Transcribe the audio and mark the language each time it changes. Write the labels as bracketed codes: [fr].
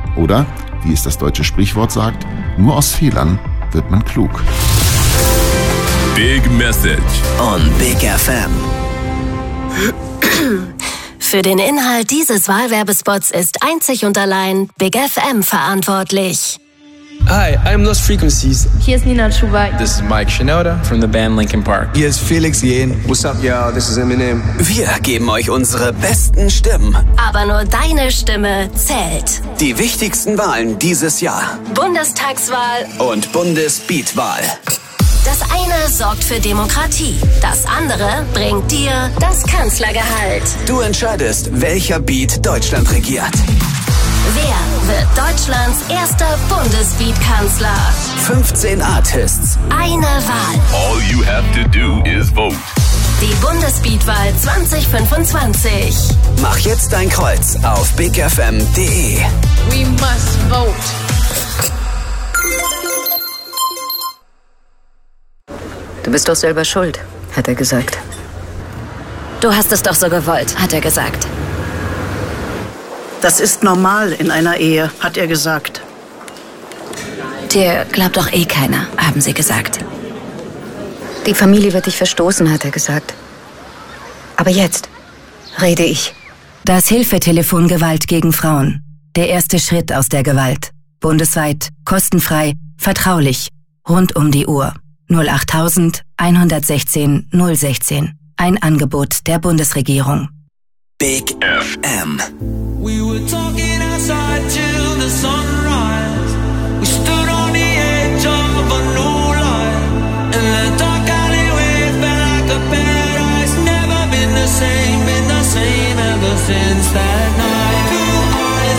[de] Oder, wie es das deutsche Sprichwort sagt, nur aus Fehlern wird man klug. [en] Big Message on Big FM. [de] Für den Inhalt dieses Wahlwerbespots ist einzig und allein Big FM verantwortlich. [en] Hi, I'm Lost Frequencies. [de] Hier ist Nina Chuba. [en] This is Mike Shinoda from the band Linkin Park. [de] Hier ist Felix Jehn. [en] What's up, y'all? This is Eminem. [de] Wir geben euch unsere besten Stimmen. Aber nur deine Stimme zählt. Die wichtigsten Wahlen dieses Jahr. Bundestagswahl und Bundesbeatwahl. Das eine sorgt für Demokratie, das andere bringt dir das Kanzlergehalt. Du entscheidest, welcher Beat Deutschland regiert. Wer wird Deutschlands erster Bundesbeat-Kanzler? 15 Artists. Eine Wahl. [en] All you have to do is vote. [de] Die Bundesbeatwahl 2025. Mach jetzt dein Kreuz auf bigfm.de. [en] We must vote. [de] Du bist doch selber schuld, hat er gesagt. Du hast es doch so gewollt, hat er gesagt. Das ist normal in einer Ehe, hat er gesagt. Dir glaubt doch eh keiner, haben sie gesagt. Die Familie wird dich verstoßen, hat er gesagt. Aber jetzt rede ich. Das Hilfetelefon Gewalt gegen Frauen. Der erste Schritt aus der Gewalt. Bundesweit, kostenfrei, vertraulich, rund um die Uhr. 08000 116 016. Ein Angebot der Bundesregierung. Big FM. [en] We were talking outside till the sunrise. We stood on the edge of a new life. In the dark alleyway, felt like a paradise. Never been the same ever since that night.